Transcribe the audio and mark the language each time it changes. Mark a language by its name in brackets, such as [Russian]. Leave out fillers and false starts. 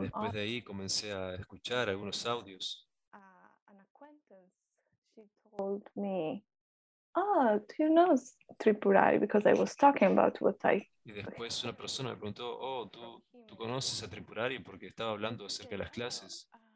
[Spanish] después de ahí comencé a escuchar algunos audios. [English] An acquaintance, she told me, oh, do you know Tripurari? Because I was talking about what I. [Spanish] Y después una persona me preguntó, oh, tú conoces a Tripurari porque estaba hablando acerca de las clases.